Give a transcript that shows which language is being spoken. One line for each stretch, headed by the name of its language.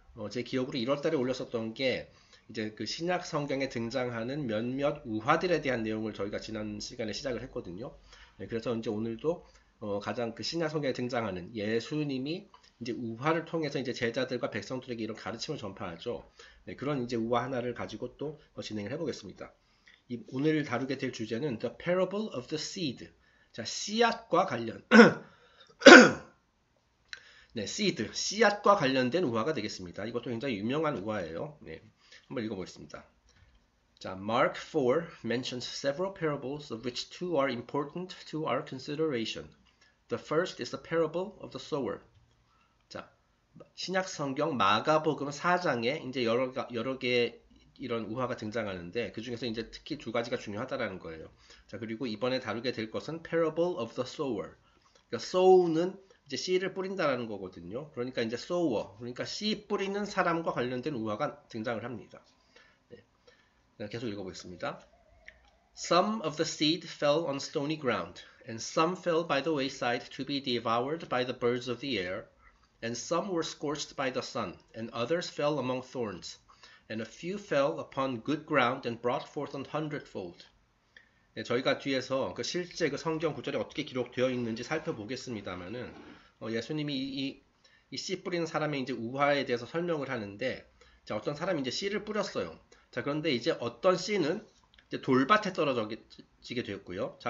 Korean: 제 기억으로 1월 달에 올렸었던 게 이제 그 신약 성경에 등장하는 몇몇 우화들에 대한 내용을 저희가 지난 시간에 시작을 했거든요. 네, 그래서 이제 오늘도 가장 그 신약 성경에 등장하는 예수님이 이제 우화를 통해서 이제 제자들과 백성들에게 이런 가르침을 전파하죠. 네, 그런 이제 우화 하나를 가지고 또 진행을 해보겠습니다. 오늘 다루게 될 주제는
English: The Parable of the Seed.
Korean: 자, 씨앗과 관련. 네, seed. 씨앗과 관련된 우화가 되겠습니다. 이것도 굉장히 유명한 우화예요. 네, 한번 읽어보겠습니다.
English: 자, Mark 4 mentions several parables of which two are important to our consideration. The first is the parable of the sower.
Korean: 신약 성경 마가복음 4장에 이제 여러 개의 이런 우화가 등장하는데 그 중에서 이제 특히 두 가지가 중요하다라는 거예요. 자, 그리고 이번에 다루게 될 것은
English: parable of the sower.
Korean: 그러니까 sow는 이제 씨를 뿌린다라는 거거든요. 그러니까 이제 sower, 그러니까 씨 뿌리는 사람과 관련된 우화가 등장을 합니다. 네. 계속 읽어보겠습니다.
English: Some of the seed fell on stony ground, and some fell by the wayside to be devoured by the birds of the air, and some were scorched by the sun, and others fell among thorns, and a few fell upon good ground and brought forth an hundredfold.
Korean: 네, 저희가 뒤에서 그 실제 그 성경 구절이 어떻게 기록되어 있는지 살펴보겠습니다만은 예수님이 이씨 뿌리는 사람의 이제 우화에 대해서 설명을 하는데 자, 어떤 사람이 이제 씨를 뿌렸어요. 자, 그런데 이제 어떤 씨는 이제 돌밭에 떨어지게 되었고요.